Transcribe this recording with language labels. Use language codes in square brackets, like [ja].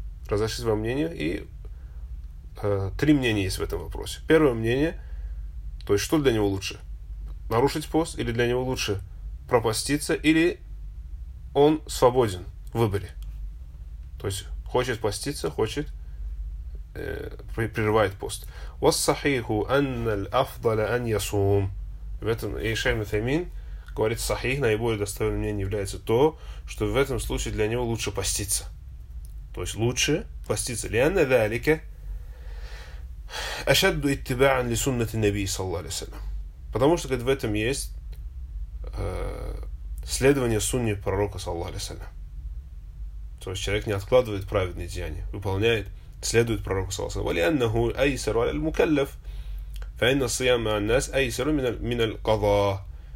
[ru] Разошлись во мнении, и три мнения есть в этом вопросе. Первое мнение. То есть, что для него лучше? Нарушить пост, или для него лучше пропаститься, или он свободен в выборе. То есть, хочет поститься, хочет прерывает пост. [ar] والصحيح أن الأفضل أن يصوم. [ru] В этом и Шейх Мусаймин говорит, сахих, наиболее достойным мнением является то, что в этом случае для него лучше поститься. То есть лучше поститься. [ar] لأن ذلك أشد اتباعا لسنة النبي صلى الله عليه وسلم. [ru] Потому что, говорит, в этом есть следование сунне пророка, саллаху алейхи ва саллям. То есть человек не откладывает праведные деяния, выполняет, следует пророку, саллаху алейхи ва саллям. [ar] وَلِأَنَّهُ أَيْسَرُ عَلَى الْمُكَلَّفِ فَإِنَّ الصِّيَامَ عَلَى النَّاسِ أَيْسَرُ مِنَ الْقَضَاءِ.